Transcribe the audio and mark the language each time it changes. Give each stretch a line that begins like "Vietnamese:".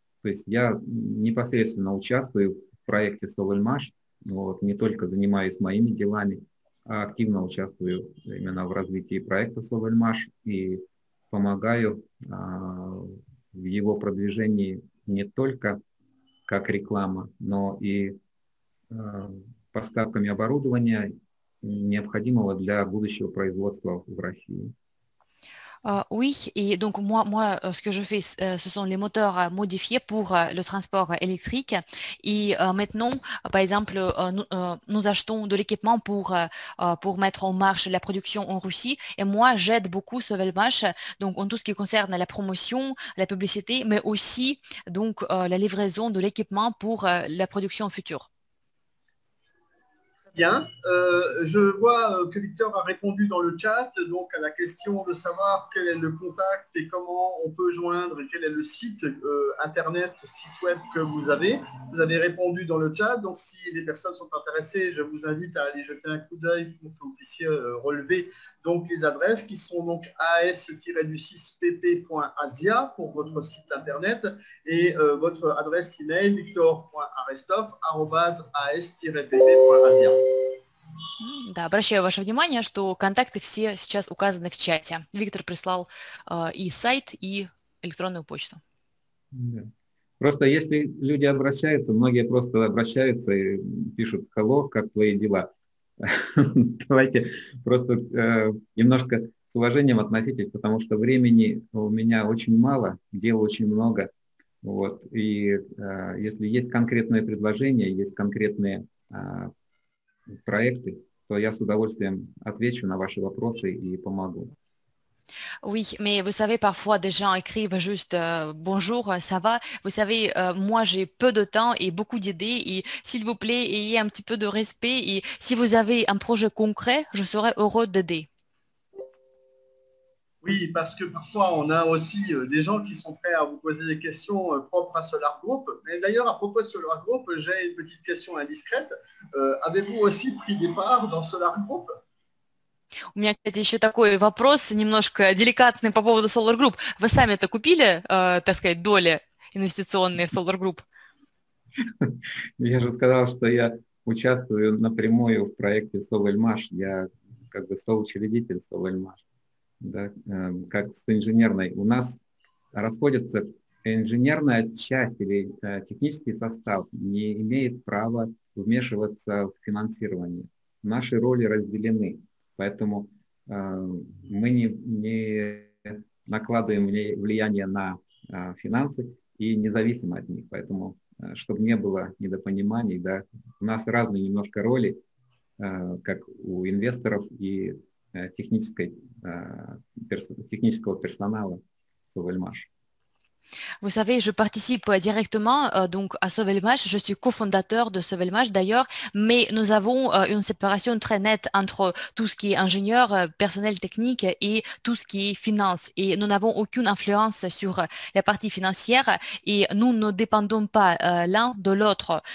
Russian: То есть я непосредственно участвую в проекте Совелмаш, вот, не только занимаюсь моими делами, а активно участвую именно в развитии проекта Совелмаш и помогаю в его продвижении не только как реклама, но и поставками оборудования, необходимого для будущего производства в России.
French: Oui, et donc moi, ce que je fais, ce sont les moteurs modifiés pour le transport électrique. Et maintenant, par exemple, nous achetons de l'équipement pour mettre en marche la production en Russie. Et moi, j'aide beaucoup Sovelmash, donc en tout ce qui concerne la promotion, la publicité, mais aussi donc la livraison de l'équipement pour la production future. Bien, je vois que Victor a répondu dans le chat donc à la question de savoir quel est le contact et comment on peut joindre, quel est le site internet, site web que vous avez. Vous avez répondu dans le chat, donc si les personnes sont intéressées, je vous invite à aller jeter un coup d'œil pour que vous puissiez relever donc, les adresses qui sont donc as-pp.asia pour votre site internet et votre adresse email victor.arestov@as-pp.asia.
Russian: Да, обращаю ваше внимание, что контакты все сейчас указаны в чате. Виктор прислал и сайт, и электронную почту. Да. Просто если люди обращаются, многие просто обращаются и пишут «Hello, как твои дела?». Давайте просто немножко с уважением относитесь, потому что времени у меня очень мало, дел очень много. Вот. И если есть конкретные предложения, есть конкретные проекты, то я с удовольствием отвечу на ваши вопросы и помогу.
French: Oui, mais vous savez, parfois des gens écrivent juste bonjour, ça va. Vous savez, moi j'ai peu de temps et beaucoup d'idées. Et s'il vous plaît, ayez un petit peu de respect. Et si vous avez un projet concret, je serais heureux d'aider. Oui, parce que parfois on a aussi des gens qui sont prêts à vous poser des questions propres à Solar Group. Mais d'ailleurs, à propos de Solar Group, j'ai une petite question indiscrète. Avez-vous aussi pris des parts dans Solar Group?
Russian: У меня, кстати, еще такой вопрос, немножко деликатный по поводу Solar Group. Вы сами-то купили, так сказать, доли инвестиционные в Solar Group? Я же сказал, что я участвую напрямую в проекте Совелмаш. Я как бы соучредитель Совелмаш, да, как с инженерной. У нас расходится инженерная часть или технический состав не имеет права вмешиваться в финансирование. Наши роли разделены. Поэтому мы не накладываем влияние на финансы и независимо от них. Поэтому, чтобы не было недопониманий, да, у нас разные немножко роли, как у инвесторов и технического персонала Совелмаш.
French: Vous savez, je participe directement donc à Sauvelmash. Je suis cofondateur de Sauvelmash d'ailleurs, mais nous avons une séparation très nette entre tout ce qui est ingénieur, personnel technique et tout ce qui est finance. Et nous n'avons aucune influence sur la partie financière et nous ne dépendons pas l'un de l'autre.